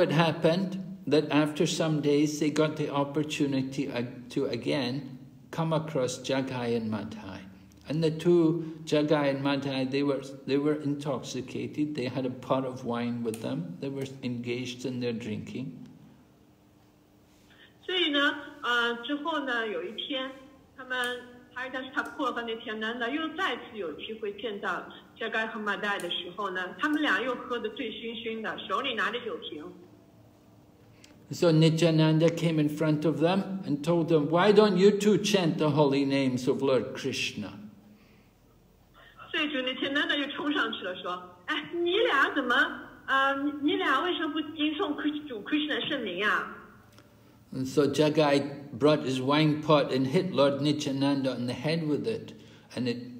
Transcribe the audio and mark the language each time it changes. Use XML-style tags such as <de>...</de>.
<en>it happened that after some days, they got the opportunity to again come across Jagai and Madhai. And the two, Jagai and Madhai, they were intoxicated. They had a pot of wine with them. They were engaged in their drinking.</en> <zh>所以呢，之后呢，有一天，他们哈里达斯塔库和那天南呢，又再次有机会见到加盖和马代的时候呢，他们俩又喝得醉醺醺的，手里拿着酒瓶。</zh> <en>So Nityananda came in front of them and told them, why don't you two chant the holy names of Lord Krishna? And so Jagai brought his wine pot and hit Lord Nityananda on the head with it, and it</en>